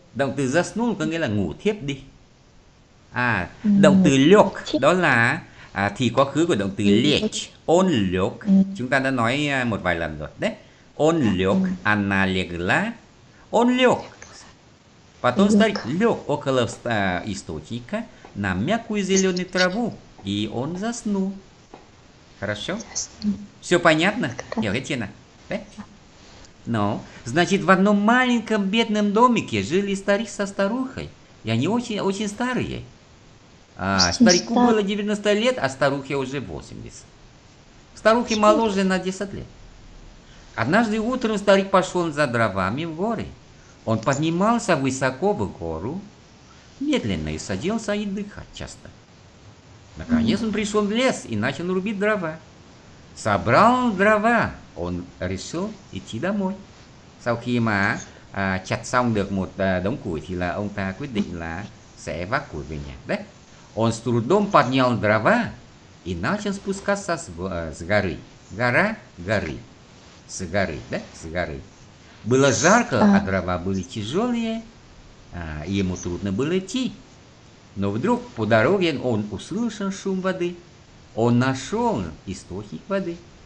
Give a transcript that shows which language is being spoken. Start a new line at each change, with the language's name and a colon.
Vietnamese: Động từ заснул có nghĩa là ngủ thiếp đi. À, động từ лег đó là à, thì quá khứ của động từ лечь.
Russian: Он лег.
Vietnamese: Chúng ta đã nói một vài lần rồi đấy.
Russian: Он лег. Она легла. Он лег. Потом старик лег около источника на мягкую зеленую траву, и он заснул. Хорошо? Все понятно? Да. Но, значит, в одном маленьком бедном домике жили старик со старухой, и они очень-очень старые. А, старику было 90 лет, а старухе уже 80. Старухе моложе на 10 лет. Однажды утром старик пошел за дровами в горы. Он поднимался высоко в гору, медленно и садился отдыхать часто. Наконец он пришел в лес и начал рубить дрова. Собрал дрова, он решил идти домой.
Vietnamese: Sau khi mà chặt xong được một đống củi thì là ông ta quyết định là sẽ vác củi về nhà. Đấy.
Russian: Он с трудом поднял дрова и начал спускаться с горы. Гора, горы. С горы, да? С горы. Было жарко, а дрова были тяжелые. Ему трудно было идти. Но вдруг по дороге он услышал шум воды. Он нашел источник воды.